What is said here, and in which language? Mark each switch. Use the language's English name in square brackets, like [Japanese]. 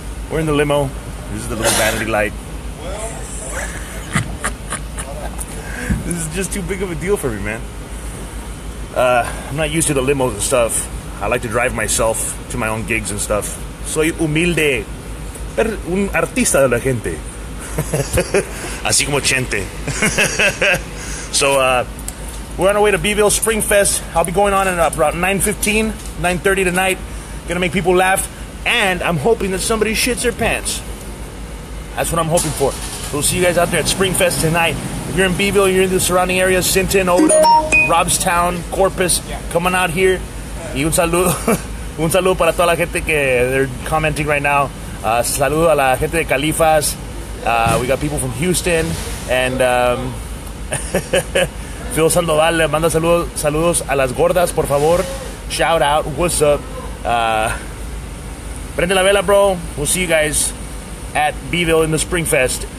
[English] We're in the limo. This is the little vanity light. This is just too big of a deal for me, man. I'm not used to the limos and stuff. I like to drive myself to my own gigs and stuff. [Spanish] Soy humilde. Pero un artista de la gente. Así como Chente. [English] So, we're on our way to Beeville Spring Fest. I'll be going on at about 9:15, 9:30 tonight. Gonna make people laugh. And I'm hoping that somebody shits their pants. That's what I'm hoping for. We'll see you guys out there at Spring Fest tonight. If you're in Beeville, you're in the surrounding areas, Sinton, Oda, Robstown, Corpus, come on out here. [Spanish] Y un saludo para toda la gente que [English] they're commenting right now. [Spanish] Saludo a la gente de Califas. [English] We got people from Houston. [Spanish] And Phil Sandoval le manda saludos a las gordas, por favor. [English] Shout out. What's up? [Spanish] Prende la vela, bro. [English] We'll see you guys at Beeville in the Spring Fest.